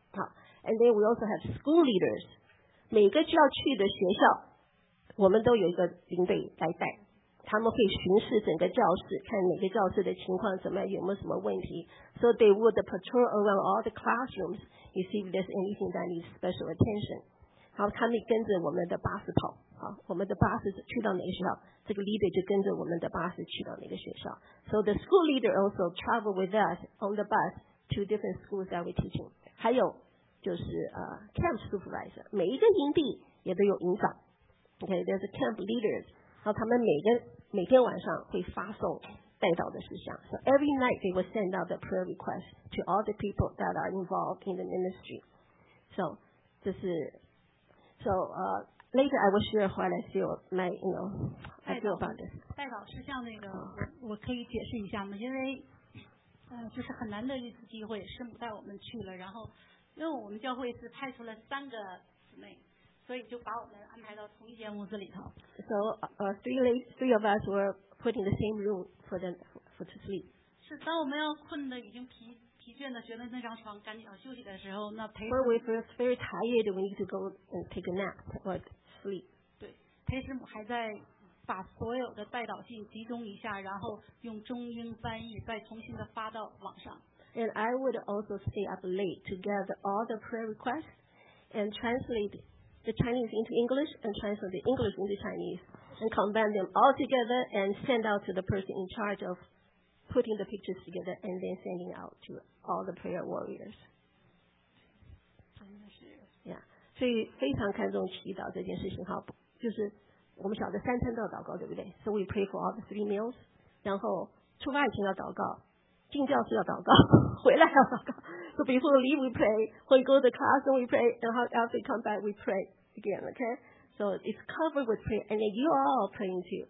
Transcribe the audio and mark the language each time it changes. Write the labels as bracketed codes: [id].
[zh] 好 ， [en] and then we also have school leaders， [zh] 每个需要去的学校，我们都有一个领队来带，他们会巡视整个教室，看每个教室的情况怎么样，有没有什么问题。 [en] So they would patrol around all the classrooms to see if there's anything that needs special attention。 [zh] 好，他们跟着我们的巴士跑。好，我们的巴士去到哪个学校，这个 leader 就跟着我们的巴士去到哪个学校。 [en] So the school leader also travel with us on the bus to different schools that we're teaching. [zh] 还有就是camp supervisor， 每一个营地也都有营长。 [en] Okay, there's a camp leaders. [zh] 然后他们每天晚上会发送代祷的事项。 [en] So every night they will send out the prayer request to all the people that are involved in the ministry. So [zh] 这是 [en] so Later, I will share what I feel, my, you know, I feel about this. [zh] 代祷是像那个，我可以解释一下吗？因为，就是很难得一次机会，师母带我们去了，然后，因为我们教会是派出了三个姊妹，所以就把我们安排到同一间屋子里头。 [en] So, three of us were put in the same room for them for to sleep. [zh] 是当我们要困的已经疲倦的，觉得那张床赶紧要休息的时候，那陪。 [en] Or we feel very tired, we need to go and take a nap or sleep. [zh] 对，陪师母还在把所有的代祷信集中一下，然后用中英翻译再重新的发到网上。 [en] And I would also stay up late to gather all the prayer requests and translate the Chinese into English and translate the English into Chinese and combine them all together and send out to the person in charge of. Putting the pictures together and then sending out to all the prayer warriors. [zh] 所以非常看重祈祷这件事情，就是我们晓得三餐都要祷告，对不对？ [en] So we pray for all the three meals. [zh] 然后出发以前要祷告，进教室要祷告，回来要祷告。 [en] So before we leave, we pray. We go to the class and we pray. And after we come back, we pray again. Okay? So it's covered with prayer, and then you are all praying too.